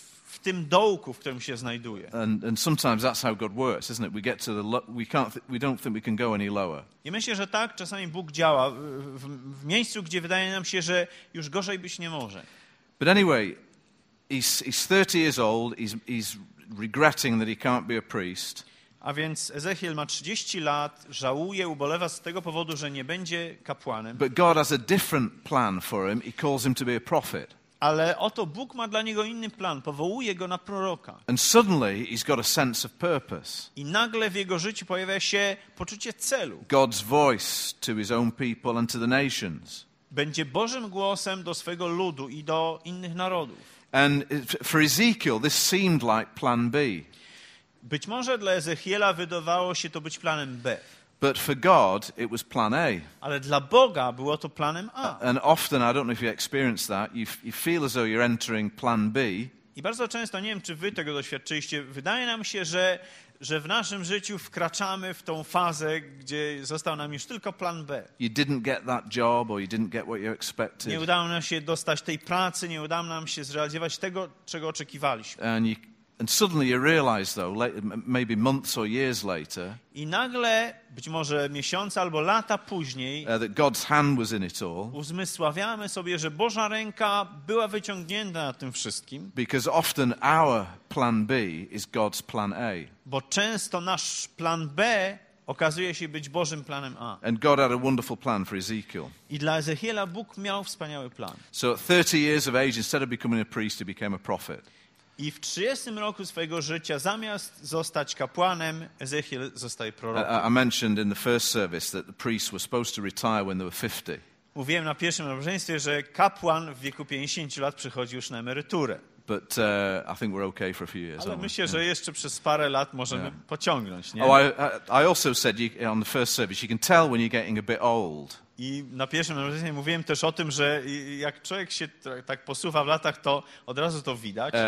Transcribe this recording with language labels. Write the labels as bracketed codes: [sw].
[pl] W tym dołku, w którym się znajduje. [en] And sometimes that's how God works, isn't it? We get to the we don't think we can go any lower. [pl] I myślę, że tak czasami Bóg działa w miejscu, gdzie wydaje nam się, że już gorzej być nie może. [en] But anyway, he's 30 years old, he's regretting that he can't be a priest. [pl] A więc Ezechiel ma 30 lat, żałuje, ubolewa z tego powodu, że nie będzie kapłanem. [en] But God has a different plan for him. He calls him to be a prophet. [pl] Ale oto Bóg ma dla niego inny plan, powołuje go na proroka. [en] And suddenly he's got a sense of purpose. [pl] I nagle w jego życiu pojawia się poczucie celu. [en] God's voice to his own people and to the nations. [pl] będzie Bożym głosem do swego ludu i do innych narodów. [en] And for Ezekiel, this seemed like plan B. [pl] Być może dla Ezechiela wydawało się to być planem B. [en] But for God, it was plan A. [pl] Ale dla Boga było to planem A. [en] And often, I don't know if you experience that, you feel as though you're entering plan B. [pl] I bardzo często, nie wiem, czy wy tego doświadczyliście, wydaje nam się, że w naszym życiu wkraczamy w tą fazę, gdzie został nam już tylko plan B. [en] You didn't get that job, or you didn't get what you expected. [pl] Nie udało nam się dostać tej pracy, nie udało nam się zrealizować tego, czego oczekiwaliśmy. [en] And suddenly you realize, though, maybe months or years later, [pl] i nagle, być może miesiące albo lata później, [en] that God's hand was in it all, [pl] uzmysławiamy sobie, że Boża ręka była wyciągnięta na tym wszystkim. [en] Because often our plan B is God's plan A. [pl] Bo często nasz plan B okazuje się być Bożym planem A. [en] And God had a wonderful plan for Ezekiel. [pl] I dla Ezechiela Bóg miał wspaniały plan. [en] So at 30 years of age, instead of becoming a priest, he became a prophet. [pl] I w 30 roku swojego życia, zamiast zostać kapłanem, Ezechiel zostaje prorokiem. [en] I mentioned in the first service that the priests were supposed to retire when they were 50. [pl] Mówiłem na pierwszym nabożeństwie, że kapłan w wieku 50 lat przychodzi już na emeryturę. [en] But I think we're okay for a few years. [pl] Ale myślę, że jeszcze przez parę lat możemy pociągnąć, nie? [en] Oh, I also said on the first service, you can tell when you're getting a bit old. [pl] I na pierwszym nabożeństwie mówiłem też o tym, że jak człowiek się tak posuwa w latach, to od razu to widać.